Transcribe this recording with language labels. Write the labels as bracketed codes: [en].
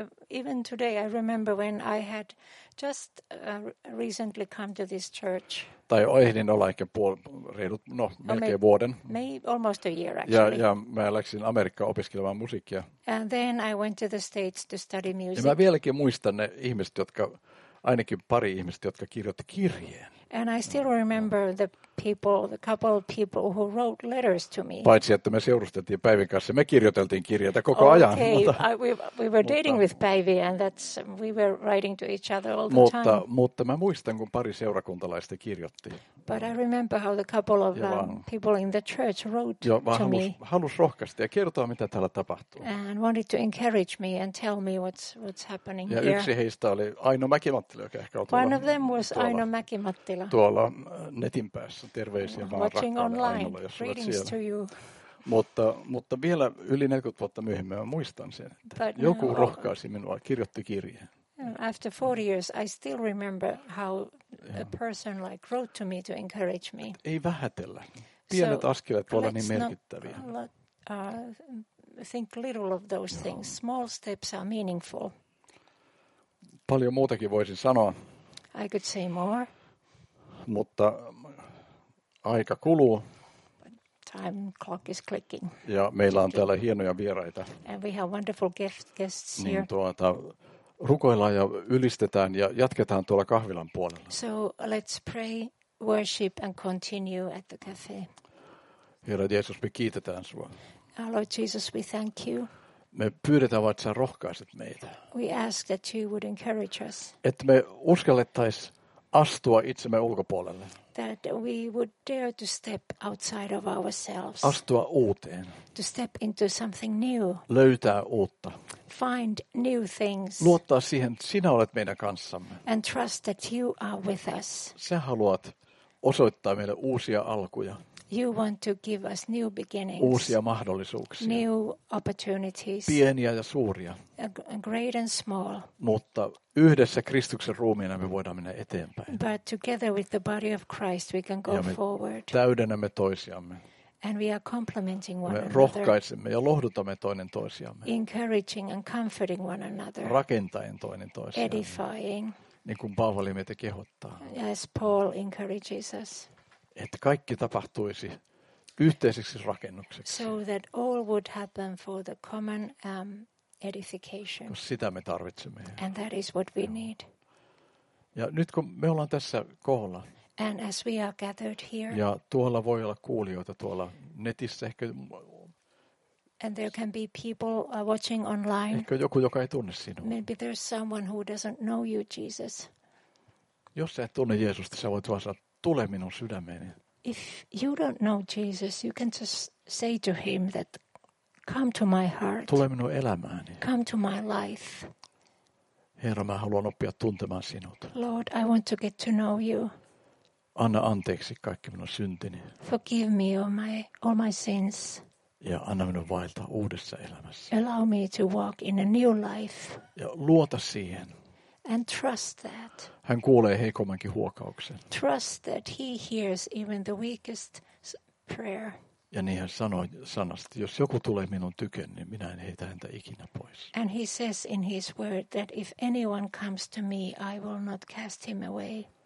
[en] Even today I remember when I had just recently come to this church. [fi] Tai ehdin olla ehkä melkein vuoden. [en] Almost a year actually. [fi] Ja mä läksin Amerikkaan opiskelemaan musiikkia. [en] And then I went to the States to study music. [fi] Ja mä vieläkin muistan ne ihmiset, jotka, ainakin pari ihmistä, jotka kirjoitti kirjeen. [en] And I still remember the couple of people who wrote letters to me. [fi] Paitsi että me seurusteltiin Päivin kanssa, me kirjoiteltiin kirjeitä koko ajan. [en] Okay, we were dating with Päivi and that's we were writing to each other all the time. [fi] Mutta mä muistan, kun pari seurakuntalaista kirjoitti. [en] But I remember how the couple of people in the church wrote to me. [fi] Halus rohkaista ja kertoa, mitä täällä tapahtuu. [en] And wanted to encourage me and tell me what's happening [fi] ja [en] here. [fi] Ja yksi heistä oli Aino Mäkimattila, joka ehkä on tuolla. [en] One of them was Aino Mäkimattila. [fi] Tuolla netin päässä. Terveisiä vaan rakkaalle Ainolle, jos olet siellä. [en] To you. [fi] Mutta vielä yli 40 vuotta myöhemmin mä muistan sen, että joku rohkaisi minua, kirjoitti kirjeen. [en] After 40 years, I still remember how a person like wrote to me to encourage me. [fi] Ei vähätellä. Pienet askeleet voivat olla niin merkittäviä. [en] Think little of those things. Small steps are meaningful. [fi] Paljon muutakin voisin sanoa. [en] I could say more. [fi] Mutta aika kuluu. [en] Time clock is clicking. [fi] Ja meillä on täällä hienoja vieraita. [en] And we have wonderful guests here. [fi] Niin rukoillaan ja ylistetään ja jatketaan tuolla kahvilan puolella. [en] So let's pray, worship and continue at the cafe. [fi] Herra Jeesus, me kiitetään sua. [en] Lord Jesus, we thank you. [fi] Me pyydetään vaan, että sä rohkaiset meitä. [en] We ask that you would encourage us. [fi] Että me uskallettaisiin astua itsemme ulkopuolelle. [en] That we would dare to step outside of ourselves. [fi] Astua uuteen. [en] To step into something new. [fi] Löytää uutta. [en] Find new things. [fi] Luottaa siihen, että sinä olet meidän kanssamme. [en] And trust that you are with us. [fi] Sä haluat osoittaa meille uusia alkuja. [en] You want to give us new beginnings. [fi] Uusia mahdollisuuksia. [en] New opportunities. [fi] Pieniä ja suuria. [en] Great and small. [fi] Mutta yhdessä Kristuksen ruumiina me voidaan mennä eteenpäin. [en] But together with the body of Christ we can go forward. [fi] Täydennämme toisiamme. [en] And we are complementing one [fi] me [en] another. [fi] Me rohkaisemme ja lohdutamme toinen toisiamme. [en] Encouraging and comforting one another. [fi] Rakentaen toinen toisiamme. [en] Edifying. [fi] Niin kuin Paavali meitä kehottaa. [en] As Paul encourages us. [fi] Että kaikki tapahtuisi yhteiseksi rakennukseksi. [en] So that all would happen for the common edification. [fi] Koska sitä me tarvitsemme. [en] And that is what we need. [fi] Ja nyt kun me ollaan tässä koolla. [en] And as we are gathered here. [fi] Ja tuolla voi olla kuulijoita tuolla netissä ehkä. [en] And there can be people watching online. [fi] Ehkä joku, joka ei tunne sinua. [en] Maybe there's someone who doesn't know you, Jesus. [fi] Jos sä et tunne Jeesusta, sä voit vaan sanoa. Tule minun sydämeeni. [en] If you don't know Jesus, you can just say to him that come to my heart. [fi] Tule minun elämääni. [en] Come to my life. [fi] Herra, mä haluan oppia tuntemaan sinut. [en] Lord, I want to get to know you. [fi] Anna anteeksi kaikki minun syntini. [en] Forgive me all my sins. [fi] Ja anna minun vaeltaa uudessa elämässä. [en] Allow me to walk in a new life. [fi] Ja luota siihen. [en] And trust that. [fi] Hän kuulee heikommankin huokauksen. [en] Trust that he hears even the weakest prayer. [fi] Ja niin hän sanoi sanasta, jos joku tulee minun tyken, niin minä en heitä häntä ikinä pois. [en] And he says in his word that if anyone comes to me, I will not cast him away.